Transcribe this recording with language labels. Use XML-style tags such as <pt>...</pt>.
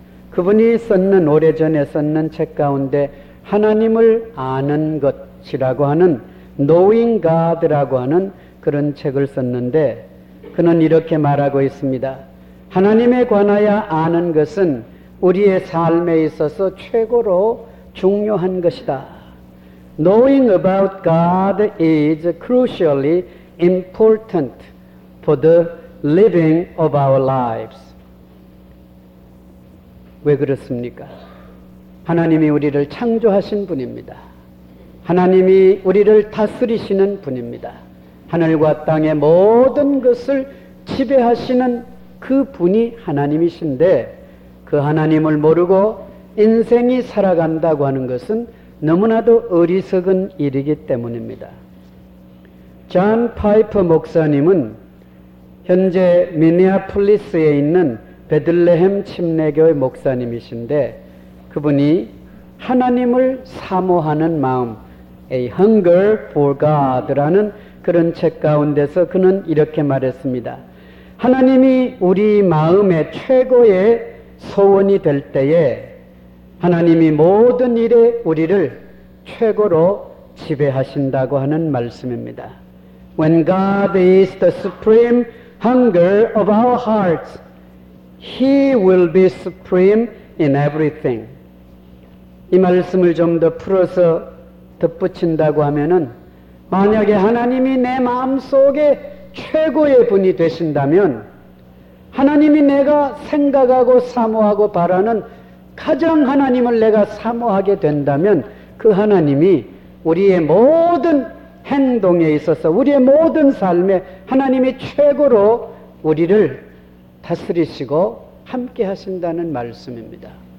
<ko>그분이 썼는 오래전에 썼는 책 가운데 하나님을 아는 것이라고 하는 Knowing God라고 하는 그런 책을 썼는데 그는 이렇게 말하고 있습니다. 하나님에 관하여 아는 것은 우리의 삶에 있어서 최고로 중요한 것이다.</ko> <en>Knowing about God is crucially important for the living of our lives.</en> <ko>왜 그렇습니까? 하나님이 우리를 창조하신 분입니다. 하나님이 우리를 다스리시는 분입니다. 하늘과 땅의 모든 것을 지배하시는 그 분이 하나님이신데 그 하나님을 모르고 인생이 살아간다고 하는 것은 너무나도 어리석은 일이기 때문입니다. 존 파이퍼 목사님은 현재 미니애폴리스에 있는 베들레헴 침례교의 목사님이신데 그분이 하나님을 사모하는 마음, A Hunger for God라는 그런 책 가운데서 그는 이렇게 말했습니다. 하나님이 우리 마음의 최고의 소원이 될 때에 하나님이 모든 일에 우리를 최고로 지배하신다고 하는 말씀입니다.</ko> <en>When God is the supreme hunger of our hearts, He will be supreme in everything.</en> <ko>이 말씀을 좀 더 풀어서 덧붙인다고 하면은 만약에 하나님이 내 마음속에 최고의 분이 되신다면 하나님이 내가 생각하고 사모하고 바라는 가장 하나님을 내가 사모하게 된다면 그 하나님이 우리의 모든 행동에 있어서 우리의 모든 삶에 하나님이 최고로 우리를 다스리시고 함께 하신다는 말씀입니다.</ko>